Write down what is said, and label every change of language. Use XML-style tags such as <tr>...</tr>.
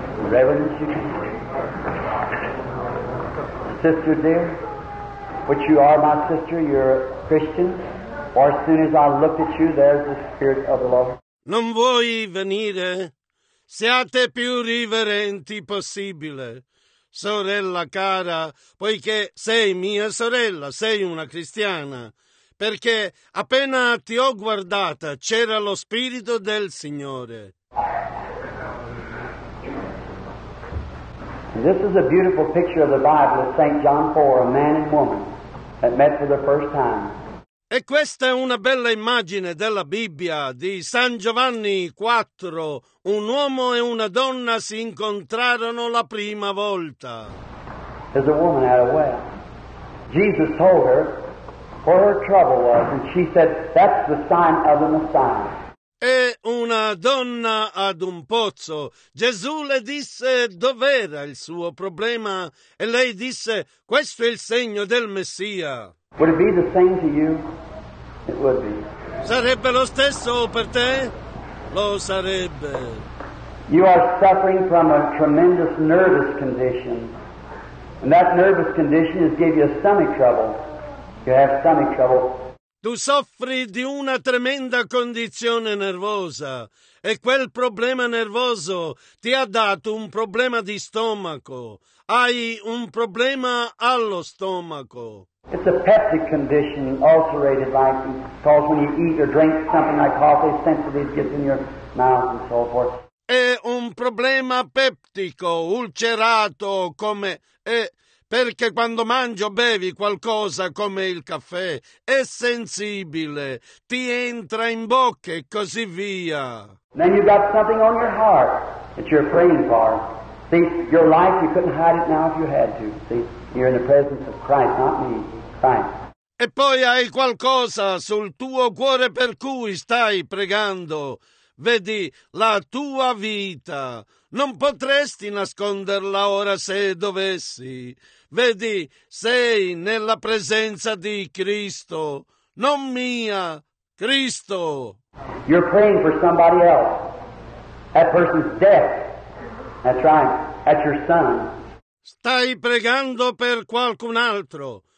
<en>Reverend, sister dear, but you are my sister, you're a Christian. For as soon as I looked at you, there's the Spirit of the Lord.</en> <it>Non vuoi venire? Siate più riverenti possibile. Sorella cara, poiché sei mia sorella, sei una cristiana, perché appena ti ho guardata c'era lo Spirito del Signore.</it> <en>This is a beautiful picture of the Bible of St. John 4, a man and woman that met for the first time.</en> <it>E questa è una bella immagine della Bibbia di San Giovanni 4. Un uomo e una donna si incontrarono la prima volta.</it> <en>There's a woman at a well. Jesus told her what her trouble was, and she said, that's the sign of the Messiah.</en> <it>E una donna ad un pozzo. Gesù le disse dov'era il suo problema, e lei disse, questo è il segno del Messia.</it> <en>Would it be the same to you? It would be.</en> <it>Sarebbe lo stesso per te? Lo sarebbe.</it> <en>You are suffering from a tremendous nervous condition. And that nervous condition has given you stomach trouble. You have stomach trouble.</en> <it>Tu soffri di una tremenda condizione nervosa. E quel problema nervoso ti ha dato un problema di stomaco. Hai un problema allo stomaco.</it> <en>It's a peptic condition, ulcerated like, because when you eat or drink something like coffee, sensitive gets in your mouth and so forth.</en> <it>È un problema peptico, ulcerato, come... perché quando mangi o bevi qualcosa come il caffè, è sensibile, ti entra in bocca e così via.</it> <en>Then you've got something on your heart that you're praying for. See, your life, you couldn't hide it now if you had to. See, you're in the presence of Christ, not me.</en> <it>E poi hai qualcosa sul tuo cuore per cui stai pregando. vedi la tua vita. Non potresti nasconderla ora se dovessi. Vedi, sei nella presenza di Cristo, non mia, Cristo.</it> <en>You're praying for somebody else. That person's death. That's right. That's your son.</en> <it>Stai pregando per qualcun altro.</it>